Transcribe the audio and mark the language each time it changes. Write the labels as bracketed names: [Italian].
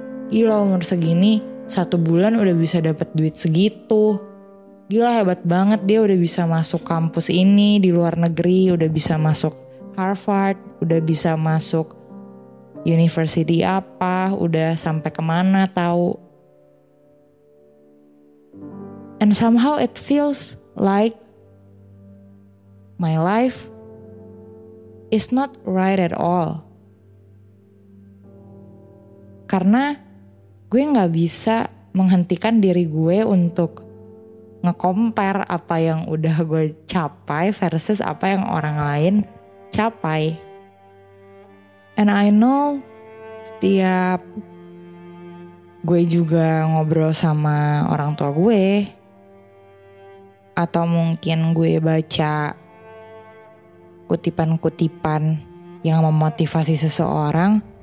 [Indonesian] Gila, umur segini satu bulan udah bisa dapat duit segitu. Gila, hebat banget dia udah bisa masuk kampus ini di luar negeri, udah bisa masuk Harvard, udah bisa masuk university apa, udah sampai kemana tahu. [English] And somehow it feels like my life is not right at all. [Indonesian] Karena gue gak bisa menghentikan diri gue untuk nge-compare apa yang udah gue capai versus apa yang orang lain capai. [English] And I know [Indonesian] setiap gue juga ngobrol sama orang tua gue, atau mungkin gue baca kutipan-kutipan yang memotivasi seseorang,